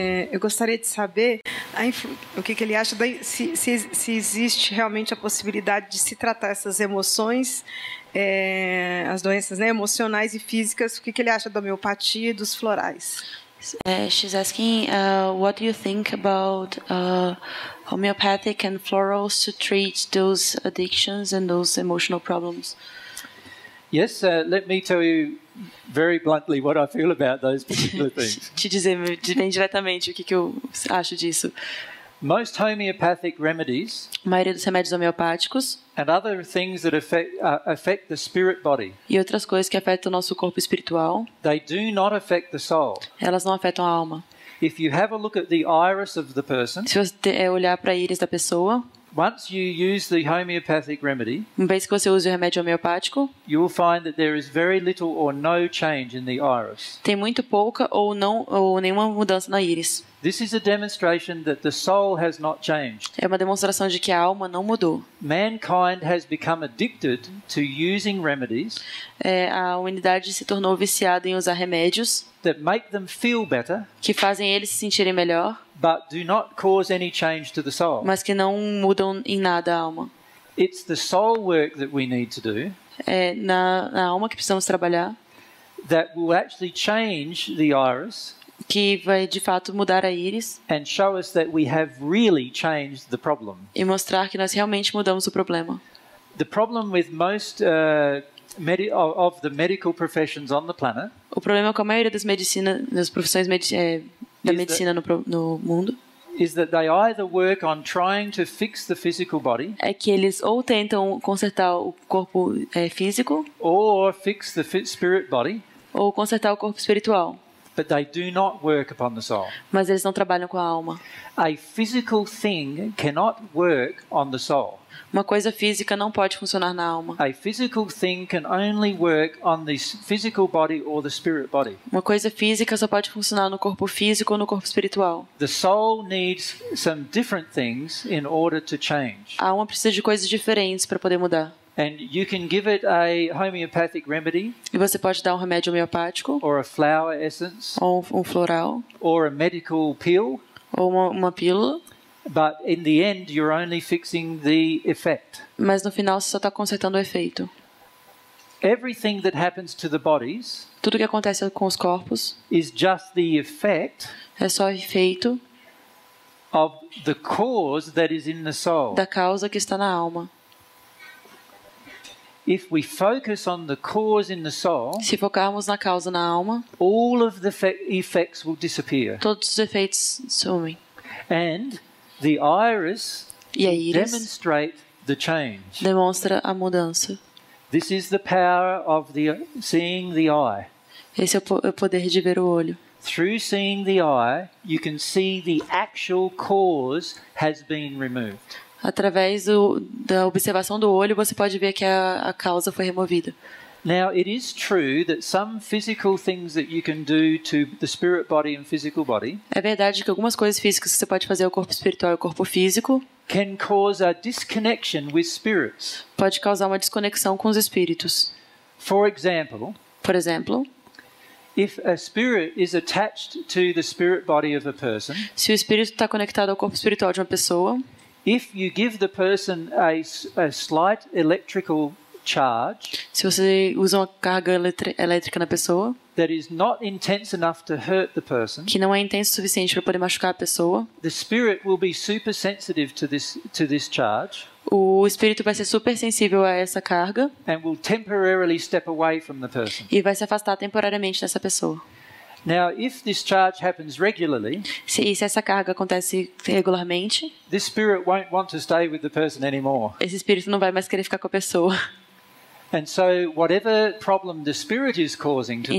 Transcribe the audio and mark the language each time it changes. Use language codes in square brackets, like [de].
[pt] Eu gostaria de saber o que ele acha, se existe realmente a possibilidade de se tratar essas emoções, as doenças, né, emocionais e físicas, o que ele acha da homeopatia e dos florais? [en] She's asking, what do you think about homeopathic and florals to treat those addictions and those emotional problems? Yes, let me tell you very bluntly what I feel about those particular things. [pt] Te dizer bem diretamente o que eu acho disso. [en] Most homeopathic remedies, [pt] a maioria dos remédios homeopáticos, [en] and other things that affect the spirit body, [pt] e outras coisas que afetam o nosso corpo espiritual, [en] they do not affect the soul. [pt] Elas não afetam a alma. [en] If you have a look at the iris of the person, [pt] se você olhar para a íris da pessoa, [en] once you use the homeopathic remedy, [pt] uma vez que você usa o remédio homeopático, [en] you will find that there is very little or no change in the iris. [pt] Tem muito pouca ou nenhuma mudança na íris. [en] This is a demonstration that the soul has not changed. [pt] É uma demonstração de que a alma não mudou. [en] Mankind has become addicted to using remedies. [pt] A humanidade se tornou viciada em usar remédios. [en] That make them feel better. [pt] Que fazem eles se sentirem melhor. [en] But do not cause any change to the soul. [pt] Mas que não mudam em nada a alma. [en] It's the soul work that we need to do. [pt] Na alma que precisamos trabalhar. [en] That will actually change the iris. [pt] Que vai de fato mudar a íris. [en] And show us that we have really changed the problem. [pt] E mostrar que nós realmente mudamos o problema. [en] The problem with most of the medical professions on the planet. [pt] O problema com a maioria das medicinas, das profissões da medicina no mundo. [en] Is that they either work on trying to fix the physical body? [pt] É que eles ou tentam consertar o corpo físico? [en] Or fix the spirit body? [pt] Ou consertar o corpo espiritual? [en] But they do not work upon the soul. [pt] Mas eles não trabalham com a alma. [en] A physical thing cannot work on the soul. [pt] Uma coisa física não pode funcionar na alma. [en] A physical thing can only work on the physical body or the spirit body. [pt] Uma coisa física só pode funcionar no corpo físico ou no corpo espiritual. [en] The soul needs some different things in order to change. [pt] A alma precisa de coisas diferentes para poder mudar. [en] And you can give it a homeopathic remedy. [pt] E você pode dar um remédio homeopático. [en] Or a flower essence. [pt] Ou um floral. [en] Or a medical pill. [pt] Ou uma pílula. [en] But in the end, you're only fixing the effect. [pt] Mas no final você só está consertando o efeito. [en] Everything that happens to the bodies. [pt] Tudo que acontece com os corpos. [en] Is just the effect. [pt] É só efeito. [en] Of the cause that is in the soul. [pt] Da causa que está na alma. [en] If we focus on the cause in the soul, [pt] se focarmos na causa na alma, [en] all of the effects will disappear. [pt] Todos os efeitos sumem. [en] And the iris demonstrate the change. [pt] Demonstra a mudança. [en] This is the power of the seeing the eye. [pt] Esse é o poder de ver o olho. [en] Through seeing the eye, you can see the actual cause has been removed. [pt] Através da observação do olho, você pode ver que a causa foi removida. [en] Now, it is true that some physical things that you can do to the spirit body and physical body. [pt] É verdade que algumas coisas físicas que você pode fazer ao corpo espiritual e ao corpo físico. [en] Can cause a disconnection with spirits. [pt] Pode causar uma desconexão com os espíritos. [en] For example. [pt] Por exemplo. [en] If a spirit is attached to the spirit body of a person. [pt] Se o espírito está conectado ao corpo espiritual de uma pessoa. [en] If you give the person a slight electrical charge, [pt] se você usa uma carga elétrica na pessoa, [en] that is not intense enough to hurt the person, [pt] que não é intenso o suficiente para poder machucar a pessoa, [en] the spirit will be super sensitive to this charge. [pt] O espírito vai ser super sensível a essa carga, [en] and will temporarily step away from the person. [pt] E vai se afastar temporariamente dessa pessoa. [en] Now, if this charge happens regularly, [pt] se essa carga acontece regularmente, [en] this spirit won't want to stay with the person anymore. [pt] Esse espírito não vai mais querer ficar com a pessoa. [en] And so, whatever problem the spirit is causing to the person,